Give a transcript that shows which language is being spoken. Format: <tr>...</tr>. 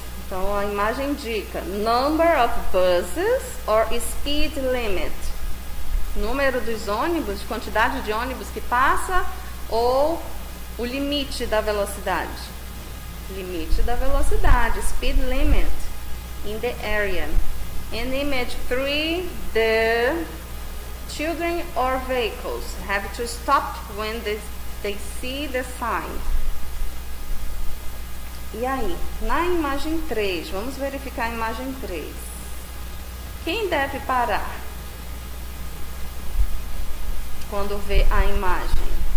<pt>Então, a imagem indica</pt> <en>number of buses or speed limit.</en> <pt>Número dos ônibus, quantidade de ônibus que passa ou o limite da velocidade. Limite da velocidade,</pt> <en>speed limit in the area. In image three, the children or vehicles have to stop when they see the sign.</en> <pt>E aí, na imagem 3, vamos verificar a imagem 3. Quem deve parar quando vê a imagem?</pt>